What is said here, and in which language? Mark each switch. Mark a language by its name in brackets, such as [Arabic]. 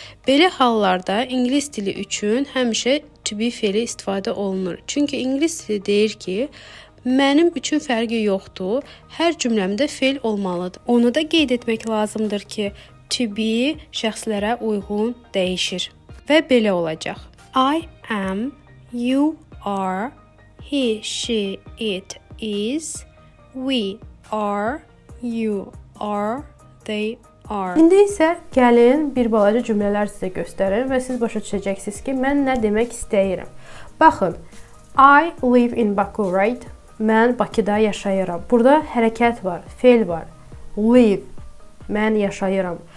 [Azerbaijani] Belə hallarda ingilis dili üçün həmişə to be fiili istifadə olunur. Çünki ingilis dili deyir ki, mənim üçün fərqi yoxdur, hər cümləmdə fiil olmalıdır. Onu da qeyd etmək lazımdır ki, to be şəxslərə uyğun dəyişir. Və belə olacaq. [English] I am, you are, he, she, it, is, we are, you are, they are. [Azerbaijani] İndi isə gəlin bir balaca cümlələr sizə göstərim və siz başa düşəcəksiniz ki, mən nə demək istəyirəm. Baxın, [English] I live in Baku, right? [Azerbaijani] Mən Bakıda yaşayıram. Burada hərəkət var, fiil var. Live, mən yaşayıram.